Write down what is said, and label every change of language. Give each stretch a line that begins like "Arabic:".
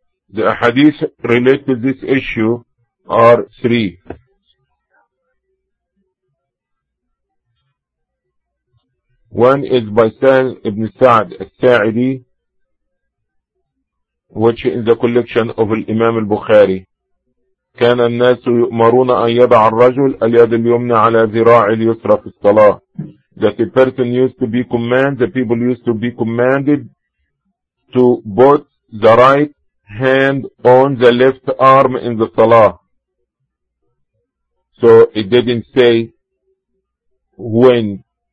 English: The hadith related to this issue are three. One is by Sahl ibn Sa'd al-Sa'idi, which is in the collection of Imam al-Bukhari.
Arabic: كان الناس يؤمرون أن يضع الرجل اليد اليمنى على ذراعي اليسرى في الصلاة.
English: That the person used to be commanded, the people used to be commanded to put the right hand on the left arm in the salah. So it didn't say when.